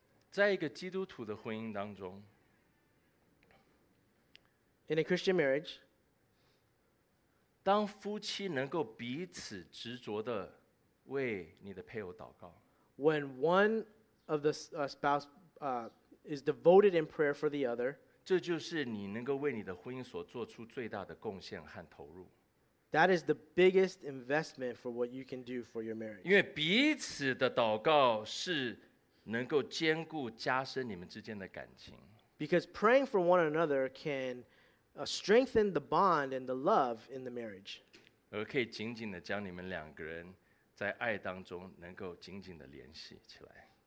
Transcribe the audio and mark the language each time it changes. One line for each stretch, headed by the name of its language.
Chinese: 在一个基督徒的婚姻当中
English: ，In a Christian marriage,
Chinese: 当夫妻能够彼此执着的为你的配偶祷告
English: ，When one of the spouse is devoted in prayer for the other.
Chinese: 这就是你能够为你的婚姻所做出最大的贡献和投入。
English: That is the biggest investment for what you can do for your marriage.
Chinese: 因为彼此的祷告是能够坚固加深你们之间的感情。
English: Because praying for one another can strengthen the bond and the love in the marriage.
Chinese: 而可以紧紧的将你们两个人在爱当中能够紧紧的联系起来。